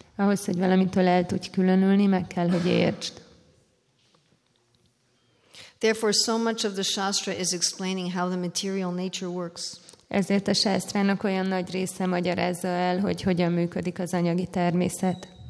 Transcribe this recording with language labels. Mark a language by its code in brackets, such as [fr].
[hu] Ahhoz, hogy valamitől el tudj különülni, meg kell, hogy értsd. [en] Therefore, so much of the Shastra is explaining how the material nature works. [hu] Ezért a sásztrának olyan nagy része magyarázza el, hogy hogyan működik az anyagi természet.